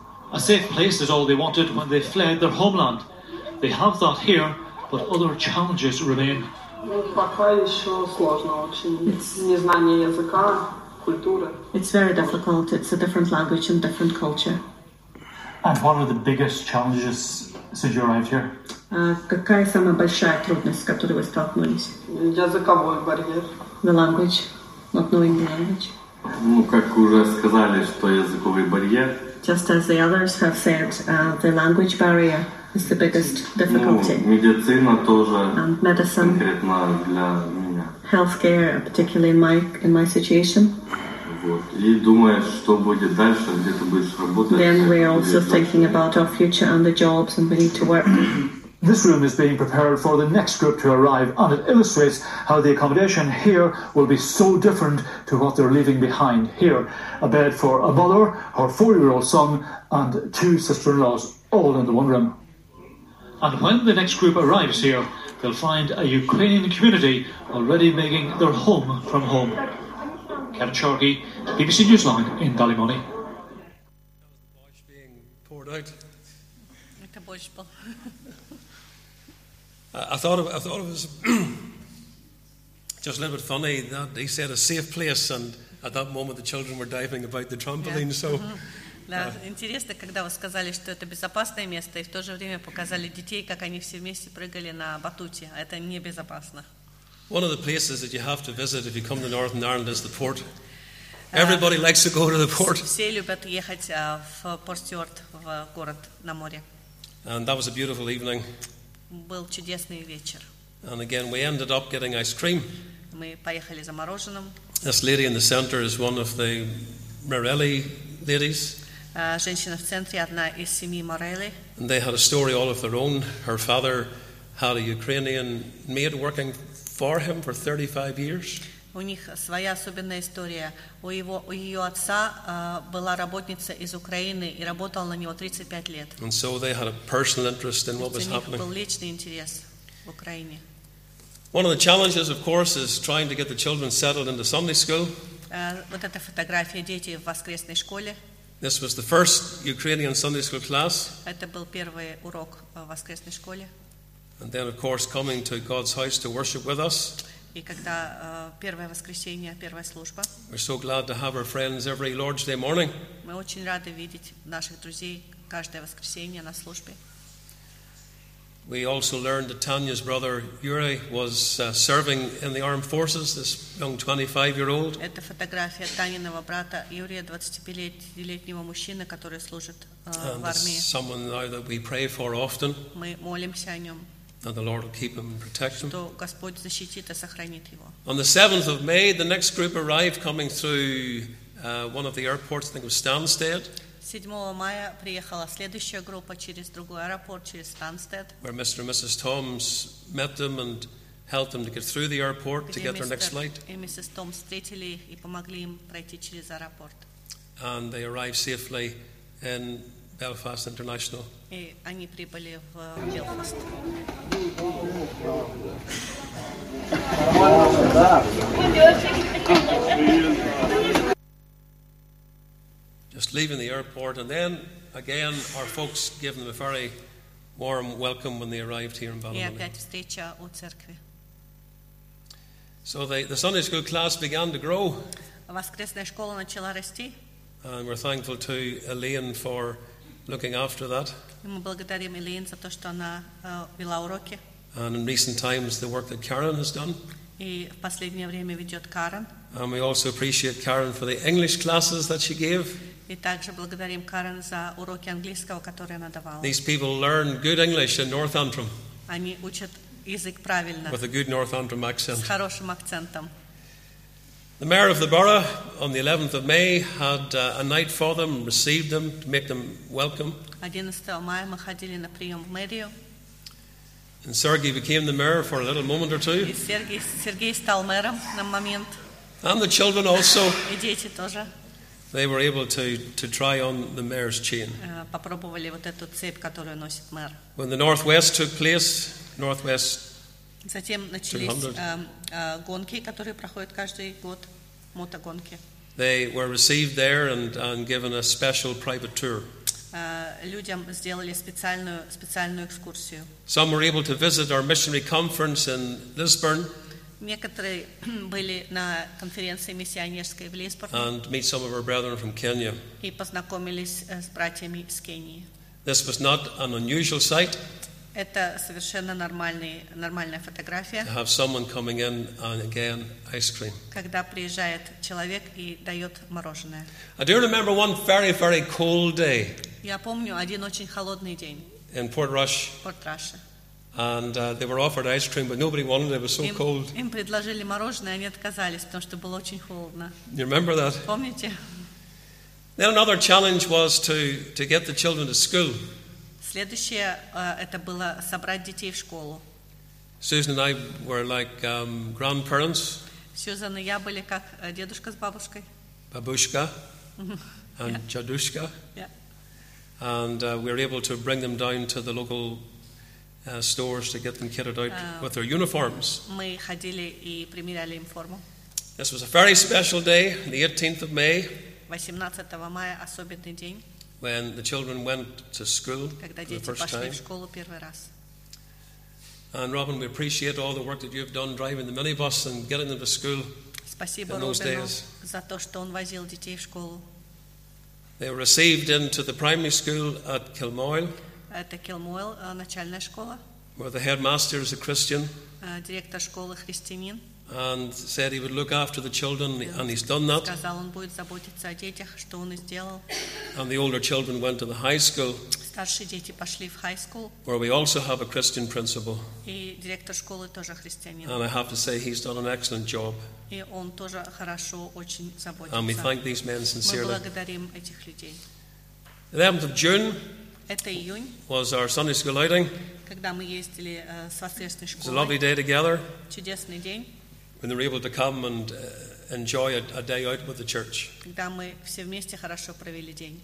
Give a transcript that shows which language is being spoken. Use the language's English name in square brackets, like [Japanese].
[English] A safe place is all they wanted when they fled their homeland. They have that here, but other challenges remain. It's very difficult. It's a different language and different culture. And what are the biggest challenges since you arrived here? [Russian] Какая самая большая трудность, с которой вы столкнулись? Языковой барьер. [English] The language. Not knowing the language. [Russian] Ну, как уже сказали, что языковой барьер. [English] Just as the others have said, the language barrier is the biggest difficulty. [Russian] Ну, медицина тоже. [English] And medicine. [Russian] Конкретно для меня. [English] Healthcare, particularly in my situation. [Russian] Вот. И думаешь, что будет дальше, где ты будешь работать. [English] Then we're also thinking about our future and the jobs, and we need to work. This room is being prepared for the next group to arrive, and it illustrates how the accommodation here will be so different to what they're leaving behind here. A bed for a mother, her 4-year-old son, and 2 sister-in-laws, all in the one room. And when the next group arrives here, they'll find a Ukrainian community already making their home from home. Kevin Sharkey, BBC Newsline in Ballymoney. That was the Bosch being poured out. It's a Bosch ball. I thought it was just a little bit funny that he said a safe place, and at that moment the children were diving about the trampoline. Yeah. So, [Russian] Интересно, когда вы сказали, что это безопасное место, и в то же время показали детей, как они все вместе прыгали на батуте. Это небезопасно. [English] One of the places that you have to visit if you come to Northern Ireland is the port. Everybody likes to go to the port. [Russian] Все любят ехать в Порт Стюарт, в город на море. [English] And that was a beautiful evening. [Russian] Был чудесный вечер. [English] And again, we ended up getting ice cream. [Russian] Мы поехали за мороженым. [English] This lady in the center is one of the Morelli ladies. [Russian] Женщина в центре одна из семьи Morelli. [English] And they had a story all of their own. Her father had a Ukrainian maid working for him for 35 years. [Russian] У них своя особенная история. У ее отца была работница из Украины и работала на него 35 лет. [English] And so they had a personal interest in what was happening. [Russian] У них был личный интерес в Украине. [English] One of the challenges, of course, is trying to get the children settled into Sunday school. [Russian] Вот эта фотография детей в воскресной школе. [English] This was the first Ukrainian Sunday school class. [Russian] Это был первый урок в воскресной школе. [English] And then, of course, coming to God's house to worship with us. [Russian] И когда первое воскресенье, первая служба. [English] We're so glad to have our friends every Lord's Day morning. [Russian] Мы очень рады видеть наших друзей каждое воскресенье на службе. [English] We also learned that Tanya's brother Yuri was serving in the armed forces, this young 25-year-old. [Russian] Это фотография Таниного брата Юрия, 25-летнего мужчины, который служит в армии. [English] And someone now that we pray for often. [Russian] Мы молимся о нем. [English] And the Lord will keep him and protect him. [Russian] Что Господь защитит и сохранит его. [English] On the 7th of May, the next group arrived coming through one of the airports, I think it was Stansted. [Russian] 7 мая приехала следующая группа через другой аэропорт, через Stansted. [English] Where Mr. and Mrs. Toms met them and helped them to get through the airport to get their next flight. [Russian] И Mrs. Toms встретили их и помогли им пройти через аэропорт. [English] And they arrived safely in Belfast International. [Russian] И они прибыли в Белфаст. [English] Just leaving the airport, and then again our folks gave them a very warm welcome when they arrived here in Ballymoney. So the Sunday school class began to grow. And we're thankful to Elaine for looking after that. And in recent times the work that Karen has done. [Russian] И в последнее время ведет Карен. [English] And we also appreciate Karen for the English classes that she gave. [Russian] И также благодарим Карен за уроки английского, которые она давала. [English] These people learn good English in North Antrim. [Russian] Они учат язык правильно. [English] With a good North Antrim accent. [Russian] С хорошим акцентом. [English] The mayor of the borough on the 11th of May had a night for them, received them to make them welcome. [Russian] 11 мая мы ходили на прием в мэрию. [English] And Sergei became the mayor for a little moment or two. [Russian] И Сергей стал мэром на момент. [English] And the children also. [Russian] И дети тоже. [English] They were able to try on the mayor's chain. [Russian] Попробовали вот эту цепь, которую носит мэр. [English] When the Northwest took place, Northwest 200. [Russian] Затем начались гонки, которые проходят каждый год, мотогонки. [English] They were received there and given a special private tour. [Russian] Людям сделали специальную экскурсию. [English] Some were able to visit our missionary conference in Lisburn. [Russian] Некоторые были на конференции миссионерской в Лисбоне. [English] And meet some of our brethren from Kenya. [Russian] И познакомились с братьями из Кении. [English] This was not an unusual sight. [Russian] Это совершенно нормальная фотография. [English] To have someone coming in and again ice cream. [Russian] Когда приезжает человек и дает мороженое. [English] I do remember one very, very cold day. [Russian] Я помню один очень холодный день. [English] In Port Rush. [Russian] Порт Раша. [English] And they were offered ice cream, but nobody wanted it. It was so cold. [Russian] Им предложили мороженое, они отказались, потому что было очень холодно. [English] You remember that? [Russian] Помните? [English] Then another challenge was to get the children to school. [Russian] Следующее это было собрать детей в школу. [English] Susan and I were like grandparents. [Russian] Сьюзан и я были как дедушка с бабушкой. Бабушка. [English] And [Russian] дядюшка. [English] Yeah. And we were able to bring them down to the local stores to get them kitted out with their uniforms. [Russian] Мы ходили и примеряли им форму. [English] This was a very special day, the 18th of May. [Russian] 18 мая особенный день. [English] When the children went to school [Russian] когда [English] for the first [Russian] пошли [English] time. [Russian] В школу первый раз. [English] And Robin, we appreciate all the work that you've done driving the minibus and getting them to school. [Russian] Спасибо [English] in those [Russian] Робину [English] days. [Russian] За то, что он возил детей в школу. [English] They were received into the primary school at Kilmoyle. [Russian] Это Килмойл, начальная школа. [English] Where the headmaster is a Christian. [Russian] Директор школы христианин. [English] And said he would look after the children, and he's done that. [Russian] Сказал, он будет заботиться о детях, что он и сделал. [English] And the older children went to the high school. [Russian] Старшие дети пошли в high school. [English] Where we also have a Christian principal. [Russian] И директор школы тоже христианин. [English] And I have to say he's done an excellent job. [Russian] И он тоже хорошо очень заботится. [English] And we thank these men sincerely. [Russian] Мы благодарим этих людей. [English] The 11th of June. [Russian] Это июнь. [English] Was our Sunday school outing. [Russian] Когда мы ездили с воскресной школой. [English] It was a lovely day together. [Russian] Чудесный день. [English] When they were able to come and enjoy a day out with the church. [Russian] Когда мы все вместе хорошо провели день.